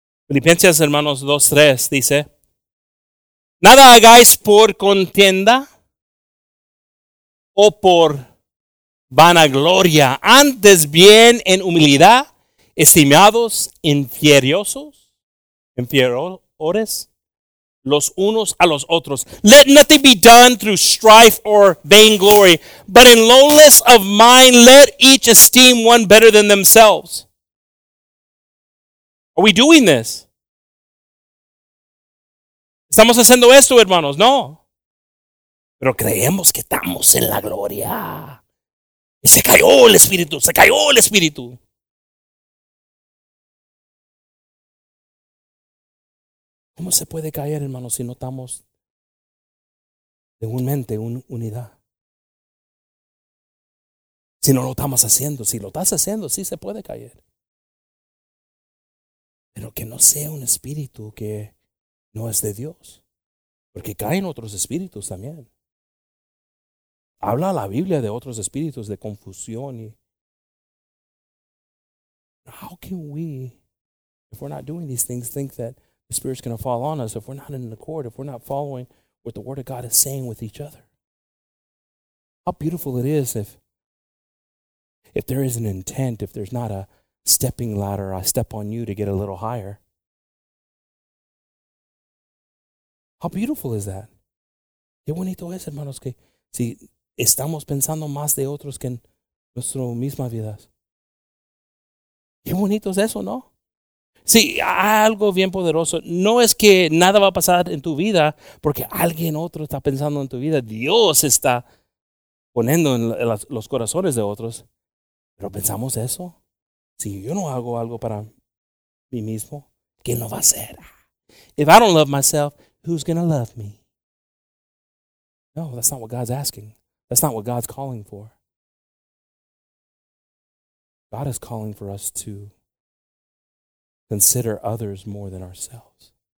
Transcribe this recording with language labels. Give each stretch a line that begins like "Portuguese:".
Spanish: Filipenses, hermanos, 2:3 dice, nada hagáis por contienda o por vanagloria. Antes bien en humildad, estimados inferiosos, inferiores, los unos a los otros.
English: Let nothing be done through strife or vainglory, but in lowliness of mind, let each esteem one better than themselves. Are we doing this?
Spanish: ¿Estamos haciendo esto, hermanos? No. Pero creemos que estamos en la gloria. Y se cayó el espíritu, se cayó el espíritu. ¿Cómo se puede caer, hermanos, si no estamos de un mente, unidad? Si no lo estamos haciendo, si lo estás haciendo, sí se puede caer. Pero que no sea un espíritu que no es de Dios. Porque caen otros espíritus también. Habla la Biblia de otros espíritus, de confusión.
English: How can we, if we're not doing these things, think that the Spirit's going to fall on us if we're not in accord, if we're not following what the Word of God is saying with each other? How beautiful it is if there is an intent, if there's not a stepping ladder, I step on you to get a little higher. How beautiful is that?
Spanish: Qué bonito es, hermanos, que si estamos pensando más de otros que en nuestras mismas vidas. Qué bonito es eso, ¿no? Sí, algo bien poderoso. No es que nada va a pasar en tu vida porque alguien otro está pensando en tu vida. Dios está poniendo en los corazones de otros. Pero pensamos eso. Si yo no hago algo para mí mismo, ¿quién lo va a hacer?
English: If I don't love myself, who's going to love me? No, that's not what God's asking. That's not what God's calling for. God is calling for us to consider others more than ourselves.